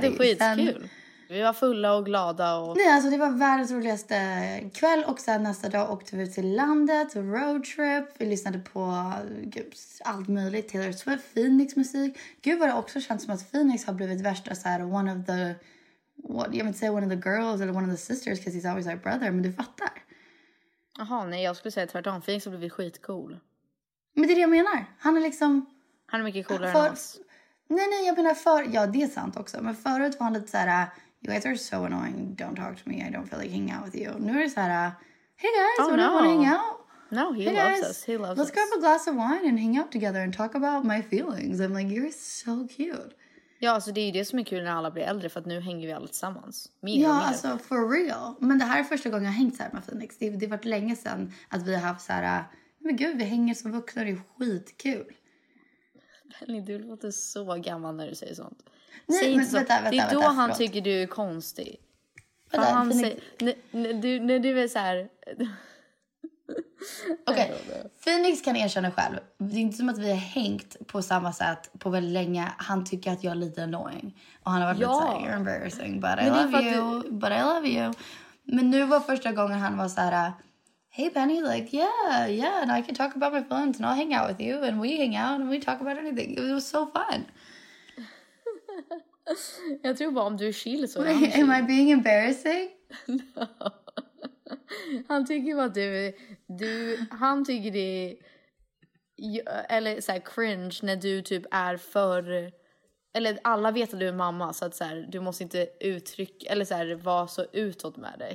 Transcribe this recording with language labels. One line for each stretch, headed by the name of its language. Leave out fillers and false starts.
Swedish: Det var skitkul. Vi var fulla och glada. Och... Nej, alltså det var världens roligaste kväll. Och sen nästa dag åkte vi till landet. Roadtrip. Vi lyssnade på allt möjligt. Taylor Swift, Phoenix musik. Gud vad det också känns som att Phoenix har blivit värsta så här,
English: one of the... What, you might say one of the girls eller one of the sisters. Because he's always our brother.
Swedish: Men du fattar. Jaha, nej. Jag skulle säga tvärtom. Phoenix har blivit skitcool. Men det är det jag menar. Han är liksom... Han är mycket coolare för, än oss. Nej, jag menar för... Ja, det är sant också. Men förut var han lite så här...
English: You guys are so annoying. Don't talk to me. I don't feel like hanging out with you.
Swedish: Nu är det så här,
English: hey guys, oh, no. Want to hang out? No, he loves us. He loves us. Let's grab a glass of wine and hang out together and talk about my feelings. I'm like, you're so cute.
Swedish: Ja, alltså det är ju det som är kul när alla blir äldre, för att nu hänger vi alla tillsammans. Mer. Alltså
English: for real.
Swedish: Men det här är första gången jag hängt så här med Phoenix. Det har varit länge sedan att vi har haft så här, men gud, vi hänger som vuxna. Det är skitkul. Benny, du låter så gammal när du säger sånt. Nej, men vänta, det är vänta, då han tycker du är konstig. Vänta, han säger, när du är så här. Okej, Phoenix kan erkänna själv. Det är inte som att vi har hängt på samma sätt på väldigt länge. Han tycker att jag är lite annoying. Och han har varit lite såhär,
English: you're embarrassing, but I love you.
Swedish: Men nu var första gången han var så här.
English: Hey Penny, like, yeah, and I can talk about my feelings and I'll hang out with you. And we hang out and we talk about anything. It was so fun.
Swedish: Jag tror bara om du är chill så är han chill.
English: Am I being embarrassing? No.
Swedish: Han tycker att han tycker det är, eller så här, cringe när du typ är för, eller alla vet att du är mamma, så att så här, du måste inte uttrycka eller så här, vara så utåt med det.